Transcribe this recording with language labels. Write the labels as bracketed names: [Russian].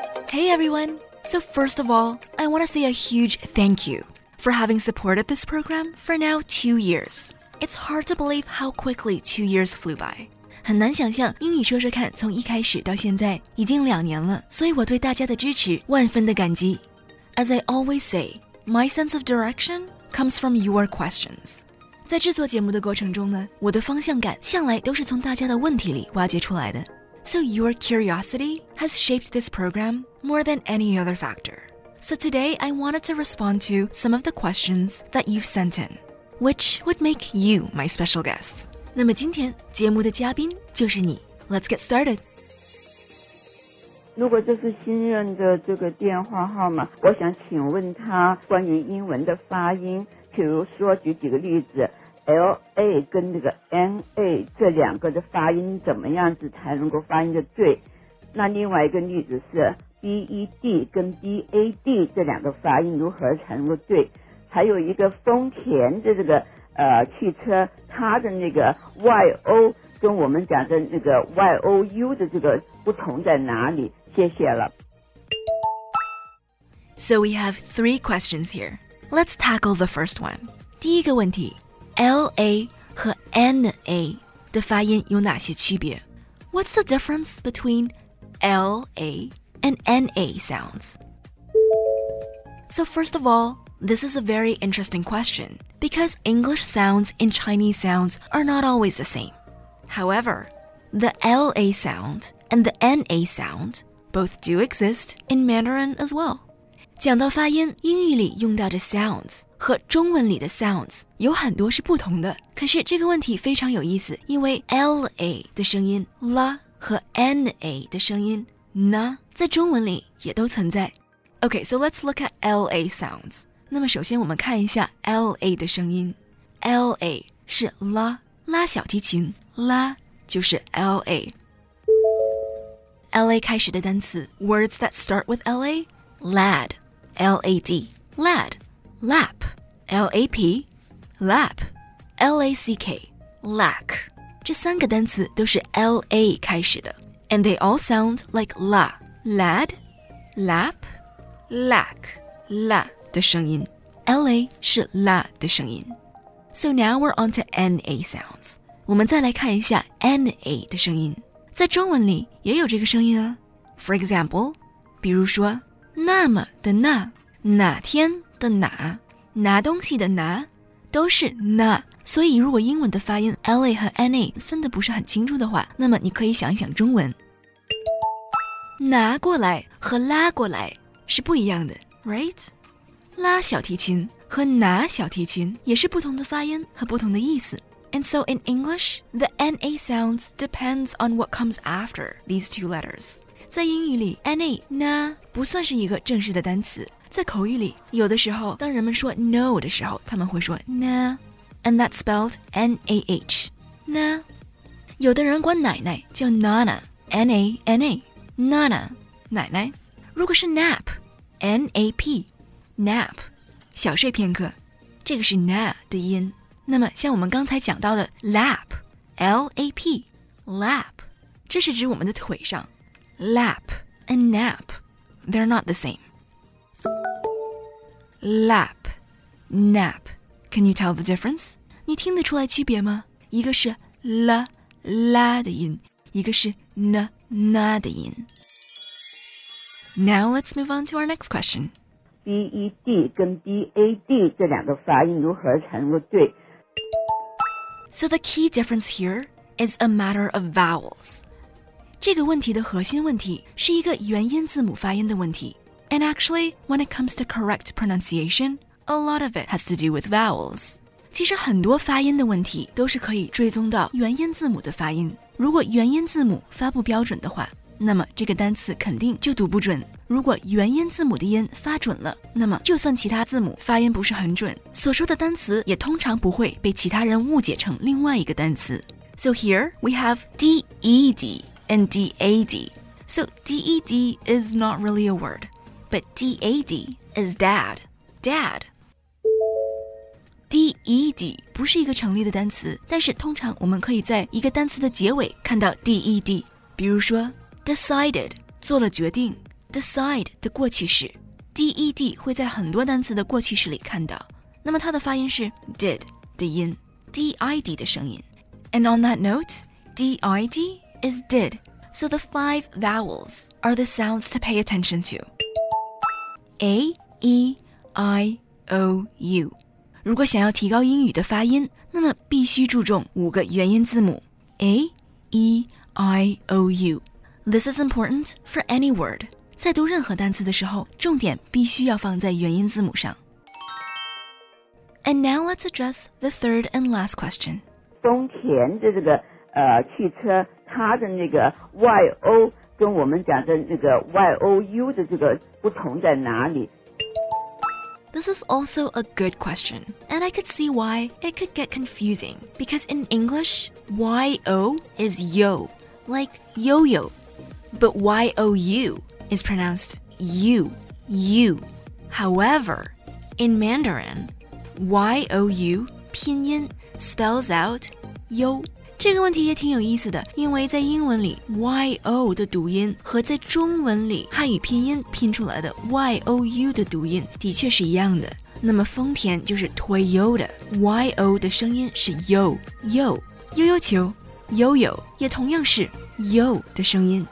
[English] Hey everyone, so first of all, I want to say a huge thank you for having supported this program for now 2 years. It's hard to believe how quickly 2 years flew by. [Chinese] 很难想象英语说说看从一开始到现在已经2年了，所以我对大家的支持万分的感激。 [English] As I always say, my sense of direction comes from your questions. [Chinese] 在制作节目的过程中呢，我的方向感向来都是从大家的问题里挖掘出来的。 [English] So your curiosity has shaped this program more than any other factor. So today I wanted to respond to some of the questions that you've sent in, which would make you my special guest. [Chinese] 那么今天节目的嘉宾就是你。 [English] Let's get started. [Chinese] 如果这是新任的这个电话号码，我想请问他关于英文的发音，比如说举几个例子 ，LA 跟那个 NA 这两个的发音怎么样子才能够发音的对？那另外一个例子是 BED 跟 BAD 这两个发音如何才能够对？还有一个丰田的这个。汽车它的那个 YO 跟我们讲的那个 YOU 的这个不同在哪里，谢谢了。 [English] So we have 3 questions here. Let's tackle the first one. [Chinese] 第一个问题， LA 和 NA 的发音有哪些区别？ [English] What's the difference between LA and NA sounds? So first of all,This is a very interesting question, because English sounds and Chinese sounds are not always the same. However, the LA sound and the NA sound both do exist in Mandarin as well. [Chinese] 讲到发音，英语里用到的 sounds 和中文里的 sounds 有很多是不同的。可是这个问题非常有意思，因为 LA 的声音 la 和 NA 的声音 na 在中文里也都存在。 [English] Okay, so let's look at LA sounds. [Chinese] 那么首先我们看一下 LA 的声音， LA 是 LA 拉小提琴， LA 就是 LA。 [English] LA [Chinese] 开始的单词 [English] Words that start with LA LAD LAD LAD LAP LAP LAP LACK LACK [Chinese] 这三个单词都是 LA 开始的， [English] And they all sound like LA [Chinese] LAD LAP LACK LA的声音， LA 是 LA 的声音。 [English] So now we're on to NA sounds. [Chinese] 我们再来看一下 NA 的声音，在中文里也有这个声音啊。 [English] For example, [Chinese] 比如说那么的那，哪天的哪，拿东西的拿，都是那。所以如果英文的发音 LA 和 NA 分得不是很清楚的话，那么你可以想一想中文，拿过来和拉过来是不一样的， [English] right? [Chinese] 拉小提琴和拿小提琴也是不同的发音和不同的意思。 [English] And so in English, the NA sounds depends on what comes after these two letters. [Chinese] 在英语里 NA, 那不算是一个正式的单词。在口语里有的时候当人们说 no 的时候他们会说 na, [English] And that's spelled N-A-H, na. [Chinese] 有的人管奶奶叫 Nana, N-A-N-A, Nana, 奶奶。如果是 nap, N-A-P,Nap, 小睡片刻，这个是 na 的音。那么像我们刚才讲到的 lap, L-A-P, lap, 这是指我们的腿上。 [English] Lap and nap, they're not the same. Lap, nap, can you tell the difference? [Chinese] 你听得出来区别吗？一个是 la, la 的音，一个是 na, na 的音。 [English] Now let's move on to our next question. [Chinese] BED 跟 BAD 这两个发音如何才能够对？ [English] So the key difference here is a matter of vowels. [Chinese] 这个问题的核心问题是一个元音字母发音的问题。 [English] And actually, when it comes to correct pronunciation, a lot of it has to do with vowels. [Chinese] 其实很多发音的问题都是可以追踪到元音字母的发音。如果元音字母发不标准的话，那么这个单词肯定就读不准。如果元音字母的音发准了，那么就算其他字母发音不是很准，所说的单词也通常不会被其他人误解成另外一个单词。 [English] So here we have DED and DAD. So DED is not really a word, but DAD is dad. Dad. DED [Chinese] ed 不是一个成立的单词，但是通常我们可以在一个单词的结尾看到 ded， 比如说 decided 做了决定， decide 的过去式 ded 会在很多单词的过去式里看到，那么它的发音是 did 的音， did 的声音。 [English] And on that note, did is did, so the five vowels are the sounds to pay attention to. A, E, I, O, U. [Chinese] 如果想要提高英语的发音，那么必须注重五个元音字母 A, E, I, O, U. [English] This is important for any word. [Chinese] 在读任何单词的时候，重点必须要放在元音字母上。 [English] And now let's address the third and last question. [Chinese] 丰田的这个汽车，它的那个 Y, O 跟我们讲的那个 Y, O, U 的这个不同在哪里？ [English] This is also a good question, and I could see why it could get confusing, because in English, Y-O is yo, like yo-yo, but Y-O-U is pronounced you, you. However, in Mandarin, Y-O-U, 拼音, spells out yo. [Chinese] 这个问题也挺有意思的，因为在英文里 Y-O 的读音和在中文里汉语拼音拼出来的 Y-O-U 的读音的确是一样的。那么丰田就是 Toyota， Y-O 的声音是 Yo， Yo， 悠悠球， Yo-Yo 也同样是 Yo 的声音。